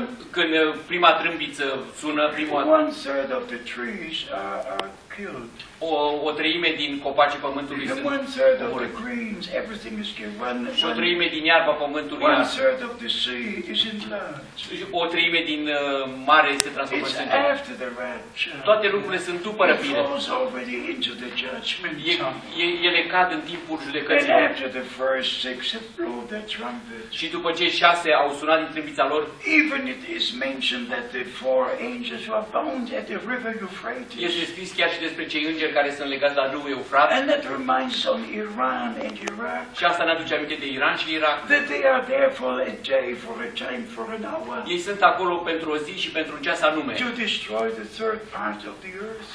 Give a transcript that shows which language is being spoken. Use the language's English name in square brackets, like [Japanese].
[Romanian] Când prima trâmbiță sună, prima. [English] One third of the trees are killed. [Romanian] O treime din copacii pământului sunt [English] omorâți. One third of the greens, everything is killed. [Romanian] Și o treime din iarba pământului. [English] One third of the sea is in blood. [Romanian] O treime din mare este transformată în [English] sânge. After the rapture. [Romanian] Toate lucrurile sunt după răpire. [English] It falls already into the judgment. [Romanian] Ele cad în timpul judecății. [English] And after the first six have blown the trumpet. [Romanian] Și după cei șase au sunat din trâmbița lor. [English] Even it is mentioned that the four angels were bound at the river Euphrates. [Romanian] Este scris chiar și despre cei îngeri care sunt legați la râul Eufrat. [English] And that reminds on Iran and Iraq. [Romanian] Și asta ne aduce aminte de Iran și Irak. [English] That they are there for a day, for a time, for an hour. [Romanian] Ei sunt acolo pentru o zi și pentru un ceas anume. [English] To destroy the third part of the earth.